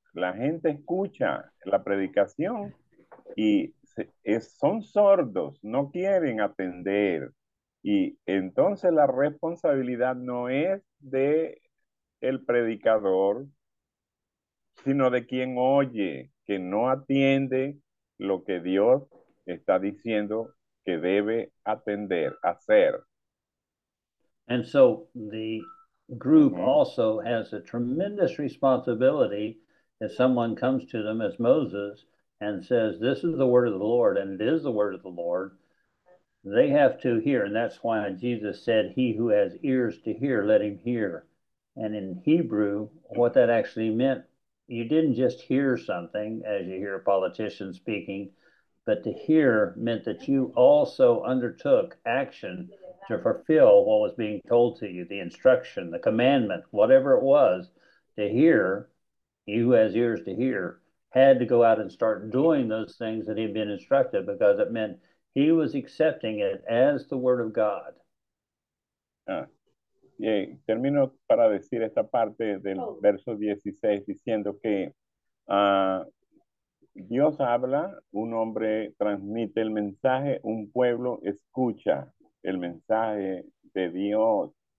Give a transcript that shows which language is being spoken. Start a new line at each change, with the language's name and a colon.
Spanish: La gente escucha la predicación y son sordos, no quieren atender. Y entonces la responsabilidad no es de el predicador, sino de quien oye, que no atiende lo que Dios está diciendo que debe atender, hacer.
English: And so the group also has a tremendous responsibility if someone comes to them as Moses and says, this is the word of the Lord, and it is the word of the Lord. They have to hear, and that's why Jesus said, he who has ears to hear, let him hear. And in Hebrew, what that actually meant, you didn't just hear something, as you hear a politician speaking, but to hear meant that you also undertook action to fulfill what was being told to you, the instruction, the commandment, whatever it was. To hear, he who has ears to hear, had to go out and start doing those things that he'd been instructed, because it meant he was accepting it as the word of God.
Spanish: Y termino para decir esta parte del verso 16, diciendo que Dios habla, un hombre transmite el mensaje, un pueblo escucha el mensaje de Dios.